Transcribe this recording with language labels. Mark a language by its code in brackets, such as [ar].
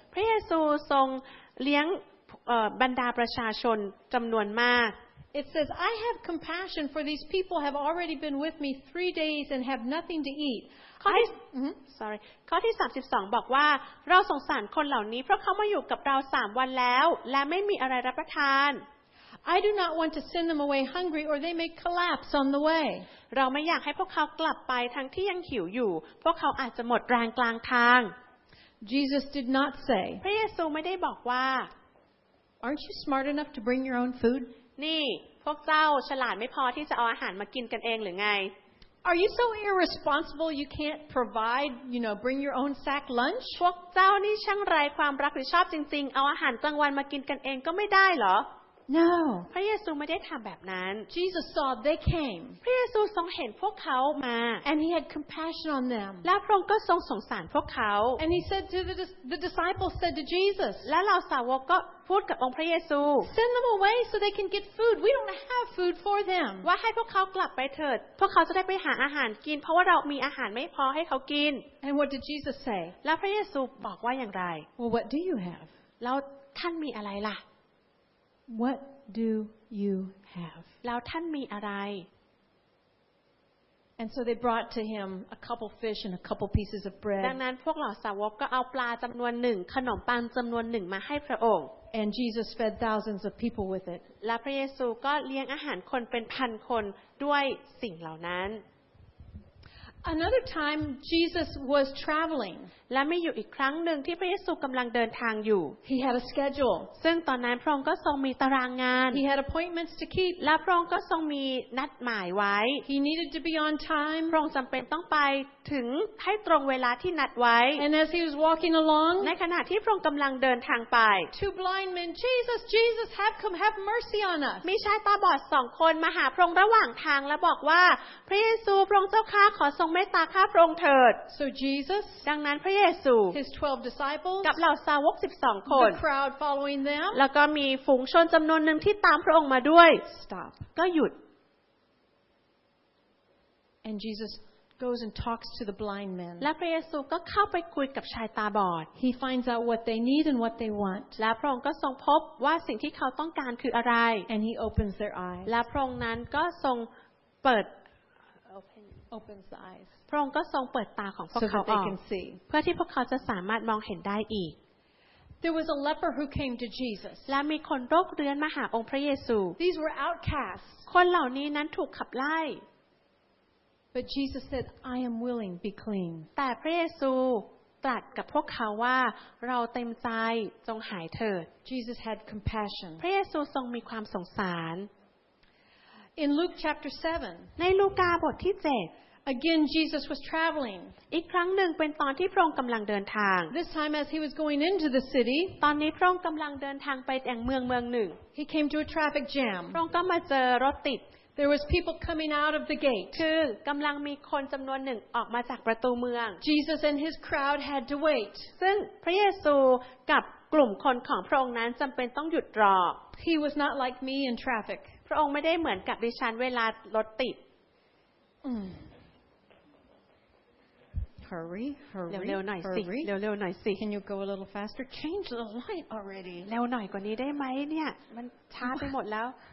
[th] พระเยซูทรงเลี้ยงบรรดาประชาชนจำนวนมาก [en] It says, I have compassion for these people have already been with me 3 days and have nothing to eat. [th] ข้อที่32บอกว่าเราสงสารคนเหล่านี้เพราะเขามาอยู่กับเรา3วันแล้วและไม่มีอะไรรับประทาน [en] I do not want to send them away hungry or they may collapse on the way. [th] เราไม่อยากให้พวกเขากลับไปทั้งที่ยังหิวอยู่พวกเขาอาจจะหมดแรงกลางทาง [en] Jesus did not say. [th] พระเยซูไม่ได้บอกว่า [en] Aren't you smart enough to bring your own food? [th] นี่พวกเจ้าฉลาดไม่พอที่จะเอาอาหารมากินกันเองหรือไง [en] Are you so irresponsible you can't provide, you know, bring your own sack lunch? [th] พวกเจ้านี่ช่างไร้ความรับผิดชอบจริงๆเอาอาหารกลางวันมากินกันเองก็ไม่ได้เหรอ [en] No. [th] พระเยซูไม่ได้ทำแบบนั้น [en] Jesus saw they came. [th] พระเยซูทรงเห็นพวกเขามา [en] And he had compassion on them. [th] และพระองค์ก็ทรงสงสารพวกเขา [en] And he said to the disciples said to Jesus. [th] และเหล่าสาวกก็พูดกับองค์พระเยซู [en] Send them away so they can get food. We don't have food for them. [th] ว่าให้พวกเขากลับไปเถิดพวกเขาจะได้ไปหาอาหารกินเพราะว่าเรามีอาหารไม่พอให้เขากิน [en] And what did Jesus say? [th] และพระเยซูบอกว่าอย่างไร [en] Well, what do you have? [th] แล้วท่านมีอะไรล่ะ [en] What do you have? [th] แล้วท่านมีอะไร [en] And so they brought to him a couple fish and a couple pieces of bread. [th] ดังนั้นพวกเหล่าสาวกก็เอาปลาจำนวนหนึ่งขนมปังจำนวนหนึ่งมาให้พระองค์ [en] And Jesus fed thousands of people with it. [th] และพระเยซูก็เลี้ยงอาหารคนเป็นพันคนด้วยสิ่งเหล่านั้น [en] Another time Jesus was traveling. [th] และมีอยู่อีกครั้งนึงที่พระเยซูกำลังเดินทางอยู่ [en] He had a schedule. [th] ซึ่งตอนนั้นพระองค์ก็ทรงมีตารางงาน [en] He had appointments to keep. [th] และพระองค์ก็ทรงมีนัดหมายไว้ [en] He needed to be on time. [th] พระองค์จำเป็นต้องไปถึงให้ตรงเวลาที่นัดไว้ [en] And as he was walking along, [th] ในขณะที่พระองค์กำลังเดินทางไป [en] Two blind men, Jesus, Jesus, have come, have mercy on us. [th] มีชายตาบอดสองคนมาหาพระองค์ระหว่างทางและบอกว่าพระเยซูพระองค์เจ้าข้าขอทรงเมตตาข้าพระองค์เถิด [en] So Jesus, [th] ดังนั้นพระเยซู [en] His 12 disciples, [th] กับเหล่าสาวก12คน [en] The crowd following them, [th] แล้วก็มีฝูงชนจำนวนหนึ่งที่ตามพระองค์มาด้วย [en] Stop, [th] ก็หยุด [en] And Jesus goes and talks to the blind men, [th] และพระเยซูก็เข้าไปคุยกับชายตาบอด [en] He finds out what they need and what they want, [th] และพระองค์ก็ทรงพบว่าสิ่งที่เขาต้องการคืออะไร [en] And he opens their eyes, [th] และพระองค์นั้นก็ทรงเปิด [en] opens eyes [th] พระองค์ก็ทรงเปิดตาของพวกเขาออกเพื่อที่พวกเขาจะสามารถมองเห็นได้อีก [en] There was a leper who came to Jesus [th] และมีคนโรคเรื้อนมาหาองค์พระเยซู [en] These were outcasts [th] คนเหล่านี้นั้นถูกขับไล่ [en] But Jesus said I am willing be clean [th] แต่พระเยซูตรัสกับพวกเขาว่าเราเต็มใจจงหายเถิด [en] Jesus had compassion [th] พระเยซูทรงมีความสงสาร [en] In Luke chapter 7. [th] ในลูกาบทที่7 [en] Again Jesus was traveling. [th] อีกครั้งหนึ่งเป็นตอนที่พระองค์กำลังเดินทาง [en] This time as he was going into the city. [th] ตอนนี้พระองค์กำลังเดินทางไปยังเมืองหนึ่ง [en] He came to a traffic jam. [th] พระองค์ก็มาเจอรถติด [en] There was people coming out of the gate. [th] คือกำลังมีคนจำนวนหนึ่งออกมาจากประตูเมือง [en] Jesus and his crowd had to wait. [th] ซึ่งพระเยซูกับกลุ่มคนของพระองค์นั้นจำเป็นต้องหยุดร [en] อ He was not like me in traffic. [th] พระองค์ไม่ได้เหมือนกับดิฉันเวลารถติด [en] Hurry [th] เร็วๆหน่อยสิเร็วๆหน่อยสิ [en] Can you go a little faster Change the light already [th] เร็วหน่อยกว่านี้ได้ไหมเนี่ยมันช้าไปหมดแล้ว